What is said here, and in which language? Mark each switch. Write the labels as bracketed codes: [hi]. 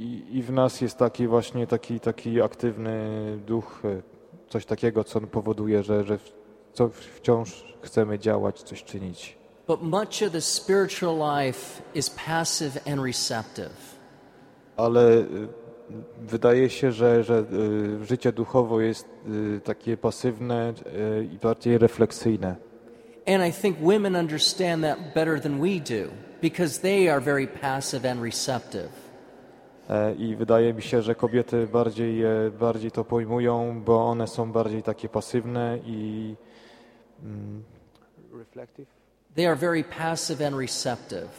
[pl] I w nas jest taki właśnie taki aktywny duch, coś takiego, co powoduje, że wciąż chcemy działać, coś czynić. [en] But much of the spiritual life is passive and receptive. [pl] Ale wydaje się, że życie duchowe jest takie pasywne i bardziej refleksyjne. [en] And I think women understand that better than we do, because they are very passive and receptive. [pl] I wydaje mi się, że kobiety bardziej to pojmują, bo one są bardziej takie pasywne i [en] reflective. They are very passive and receptive.